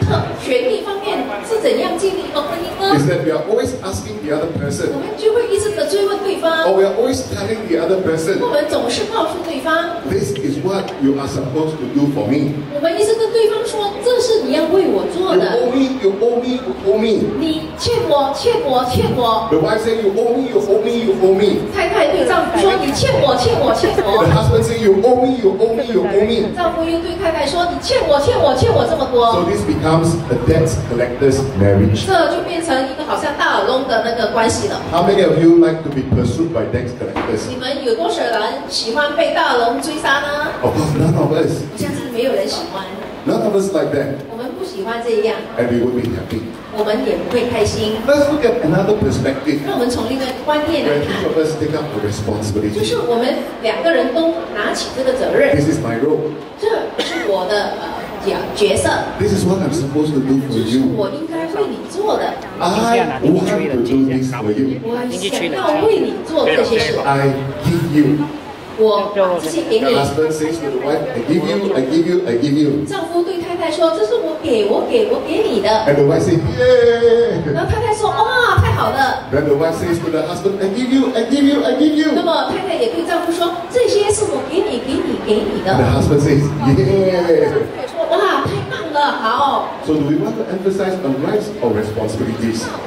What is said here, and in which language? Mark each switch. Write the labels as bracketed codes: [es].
[zh] 如果我们在建立在这个权利方面是怎样建立一个婚姻呢？ [en] Is that we are always asking the other person. [zh] 我们就会一直地追问对方。 [en] Or we are always telling the other person. [zh] 我们总是告诉对方。 [en] This is what you are supposed to do for me. [zh] 我们一直跟对方说，这是你要为我做的。 [en] You owe me. [zh] 你欠我。 [en] The wife say you owe me. [zh] 太太对丈夫说，你欠我。 [en] The husband say you owe me. [zh] 丈夫又对太太说，你欠我这么多。 [en] So this becomes a debt collector's marriage. [zh] 这就变成一个好像大耳窿的那个关系了。 [en] How many of you like to be pursued by debt collectors? [zh] 你们有多少人喜欢被大耳窿追杀呢？ [en] Of course, none of us. [zh] 我相信没有人喜欢。 [en] None of us like that. [zh] 我们不喜欢这样。 [en] And we would be happy. [zh] 我们也不会开心。 [en] Let's look at another perspective. [zh] 让我们从另一个观念来看。 [en] Where each of us take up the responsibility. [zh] 就是我们两个人都拿起这个责任。 [en] This is my role. [zh] 这是我的。角色, [en] this is what I'm supposed to do for you. [zh] 我应该为你做的。 [en] I want to do this for you. [zh] 我想要为你做这些事。 [en] I give you. [zh] 我把这些给你。 [en] The husband says to the wife, I give you. [zh] 丈夫对太太说，这是我给你的。 [en] And the wife says, yeah. [zh] 然后太太说，哦，太好了。 [en] Then the wife says to the husband, I give you. [zh] 那么太太也对丈夫说，这些是我给你的。 [en] The husband says, yeah. [zh] 哇，太棒了，好。 [en] So do we want to emphasize on rights or responsibilities?